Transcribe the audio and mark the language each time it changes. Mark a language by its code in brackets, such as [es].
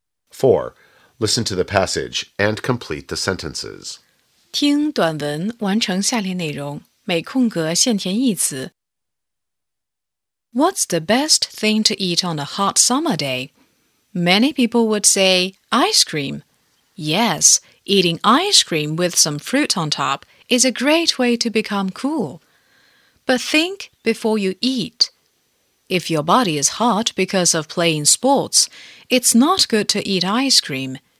[en] Four. Listen to the passage and complete the sentences. [zh] 听短文完成下列内容，每空格限填一词。 [en] What's the best thing to eat on a hot summer day? Many people would say ice cream. Yes, eating ice cream with some fruit on top is a great way to become cool. But think before you eat. If your body is hot because of playing sports, it's not good to eat ice cream.